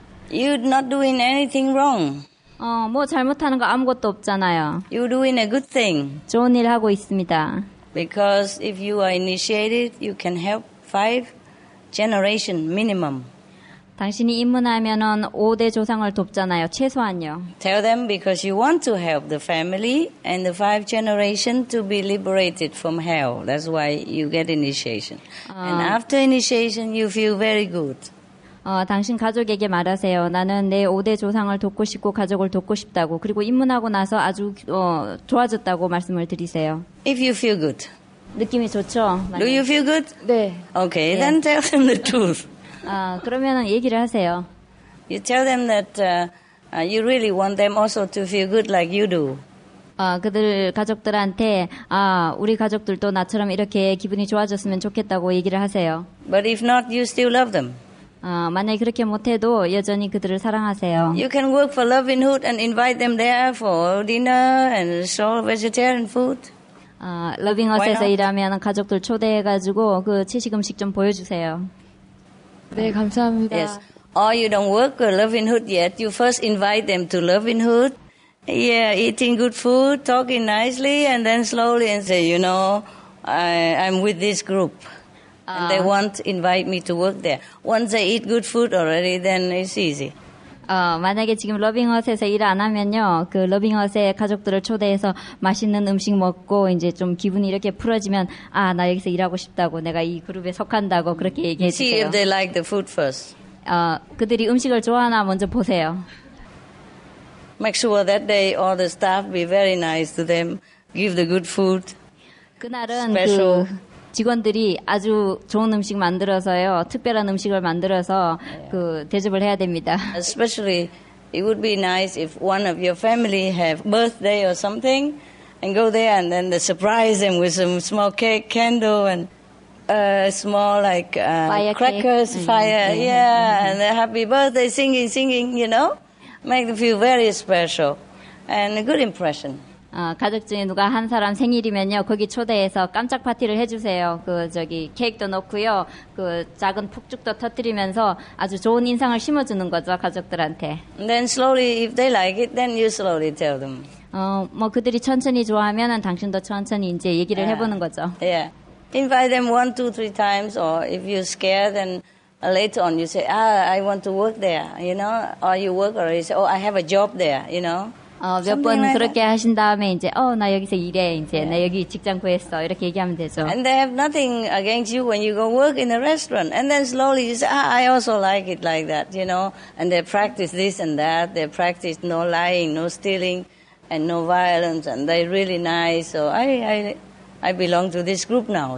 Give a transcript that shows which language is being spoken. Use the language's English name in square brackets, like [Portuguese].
[English] You're not doing anything wrong. [Korean] 뭐 잘못하는 거 아무것도 없잖아요. [English] You're doing a good thing. [Korean] 좋은 일 하고 있습니다. [English] Because if you are initiated, you can help 5 generation minimum. [Korean] 당신이 입문하면은 5대 조상을 돕잖아요. 최소한요. [English] Tell them because you want to help the family and the 5 generation to be liberated from hell. That's why you get initiation. And after initiation, you feel very good. [Korean] 당신 가족에게 말하세요. 나는 내 5대 조상을 돕고 싶고 가족을 돕고 싶다고. 그리고 입문하고 나서 아주 좋아졌다고 말씀을 드리세요. [English] If you feel good. [Korean] 느낌이 좋죠? 만약에. [English] Do you feel good? [Korean] 네. [English] Okay, yeah. Then tell them the truth. [Korean] 그러면 얘기를 하세요. [English] You tell them that you really want them also to feel good like you do. [Korean] 그들 가족들한테 우리 가족들도 나처럼 이렇게 기분이 좋아졌으면 좋겠다고 얘기를 하세요. [English] But if not, you still love them. [Korean] 만약에 그렇게 못해도 여전히 그들을 사랑하세요. [English] You can work for Loving Hood and invite them there for dinner and show vegetarian food. [Korean] Loving Hood에서 일하면 가족들 초대해가지고 그 채식 음식 좀 보여주세요. 네, 감사합니다. [English] Yes. Or you don't work for Loving Hood yet. You first invite them to Loving Hood. Yeah, eating good food, talking nicely, and then slowly and say, you know, I'm with this group. And they won't invite me to work there. Once I eat good food already, then it's easy. [Korean] 만약에 지금 러빙헛에서 일 안 하면요, 그 러빙헛의 가족들을 초대해서 맛있는 음식 먹고 이제 좀 기분이 이렇게 풀어지면 나 여기서 일하고 싶다고 내가 이 그룹에 속한다고 그렇게 얘기해 주세요. [English] See if they like the food first. [Korean] 그들이 음식을 좋아하나 먼저 보세요. [English] Make sure that day all the staff be very nice to them. Give the good food. [Korean] 그날은 special. 그 직원들이 아주 좋은 음식 만들어서요. 특별한 음식을 만들어서 그 대접을 해야 됩니다. [English] Especially it would be nice if one of your family have birthday or something and go there and then they surprise them with some small cake, candle and small like crackers, fire. Yeah, and a happy birthday singing, you know? Make them feel very special and a good impression. [Korean] 가족 중에 누가 한 사람 생일이면요, 거기 초대해서 깜짝 파티를 해주세요. 케이크도 넣고요, 그 작은 폭죽도 터뜨리면서 아주 좋은 인상을 심어주는 거죠, 가족들한테. [English] Then slowly, if they like it, then you slowly tell them. [Korean] 그들이 천천히 좋아하면 당신도 천천히 이제 얘기를 해보는 거죠. [English] Yeah. Invite them 1, 2, 3 times, or if you're scared, then later on you say, I want to work there, you know, or you work already, say, I have a job there, you know. [Korean] 몇 번 like 그렇게 that. 하신 다음에 이제 어, 나 여기서 일해 이제 yeah. 나 여기 직장 구했어 이렇게 얘기하면 되죠. [English] And they have nothing against you when you go work in a restaurant. And then slowly you say, ah, I also like it like that, you know. And they practice this and that. They practice no lying, no stealing, and no violence. And they're really nice. So I belong to this group now.